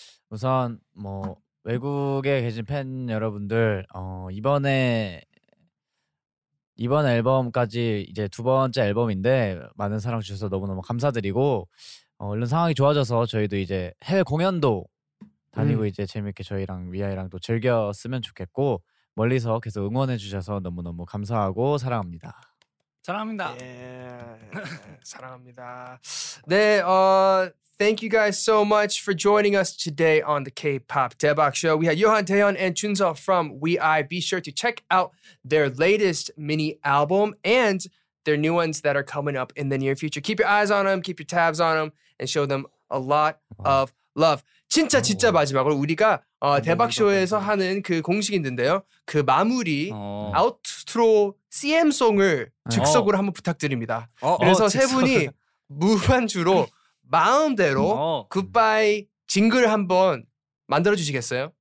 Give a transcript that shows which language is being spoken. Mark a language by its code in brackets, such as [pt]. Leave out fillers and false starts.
[ko] 우선 뭐 외국에 계신 팬 여러분들 이번 앨범까지 이제 두 번째 앨범인데 많은 사랑 주셔서 너무너무 감사드리고 얼른 상황이 좋아져서 저희도 이제 해외 공연도 다니고 이제 재밌게 저희랑 위아이랑 또 즐겼으면 좋겠고 멀리서 계속 응원해 주셔서 너무너무 감사하고 사랑합니다. 사랑합니다. 예, 사랑합니다. [en] 네, Thank you guys so much for joining us today on the K-Pop Daebak Show. We had Yohan, Taehyun, and Junseo from WEEI. Be sure to check out their latest mini album and their new ones that are coming up in the near future. Keep your eyes on them, keep your tabs on them, and show them a lot of love. [ko] 진짜 진짜 마지막으로 우리가 대박 쇼에서 하는 그 공식인데요. 그 마무리 아웃트로 CM 송을 즉석으로 한번 부탁드립니다. 그래서 세 분이 무반주로 마음대로 굿바이 징글을 한번 만들어 주시겠어요?